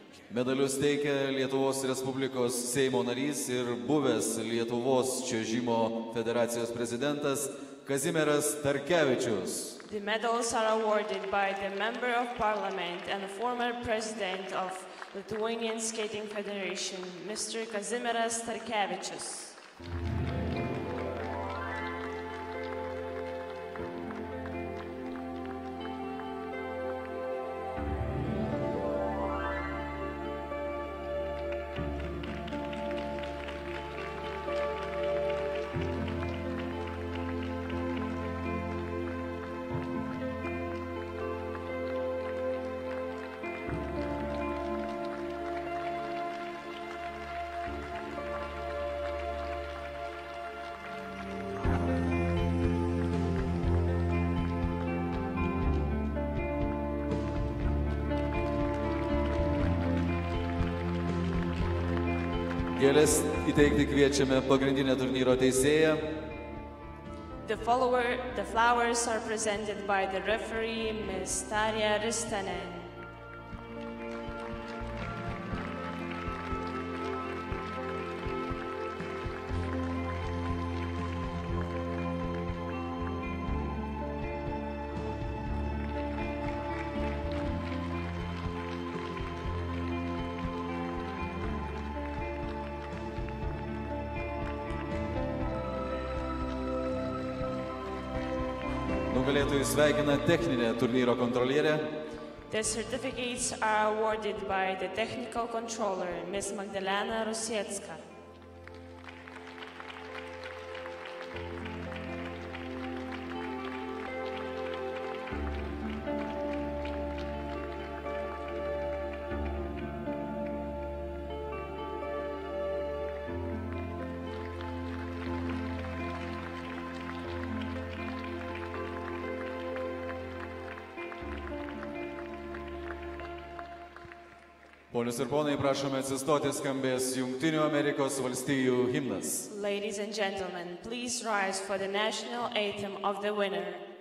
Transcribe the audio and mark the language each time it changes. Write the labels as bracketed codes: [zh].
[lt] Medalius teikia Lietuvos Respublikos Seimo narys ir buvęs Lietuvos čiuožimo federacijos prezidentas Kazimieras Tarkevičius. [en] The medals are awarded by the Member of Parliament and former President of Lithuanian Skating Federation, Mr. Kazimieras Tarkevičius. [lt] Gėlės įteikti kviečiame pagrindinę turnyro teisėją. [en] The flowers are presented by the referee, Ms. Tarja Ristanen. [lt] Nugalėtojus sveikina techninė turnyro kontrolierė. [en] The certificates are awarded by the technical controller, Ms. Magdalena Rusiecka. [lt] Ponios ir ponai, prašome atsistoti, skambės Jungtinių Amerikos valstijų himnas. [en] Ladies and gentlemen, please rise for the national anthem of the winner.